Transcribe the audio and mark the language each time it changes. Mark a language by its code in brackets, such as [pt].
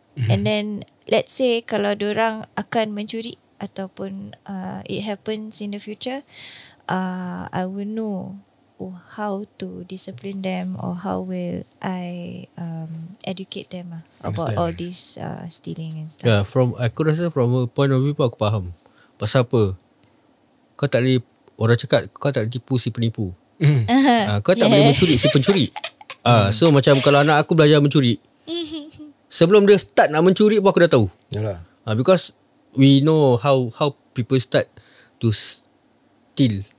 [en] And then let's say [ms] kalau dorang akan mencuri ataupun [en] it happens in the future, I will know how to discipline them or how will I educate them about all this stealing and stuff. Yeah, from [ms] aku rasa [en] from a point of view [ms] pun aku faham. Pasal apa? Kau tak boleh, orang cakap kau tak boleh tipu si penipu. Kau tak boleh mencuri si pencuri. So macam kalau anak aku belajar mencuri, sebelum dia start nak mencuri pun aku dah tahu. [en] Because we know how people start to steal.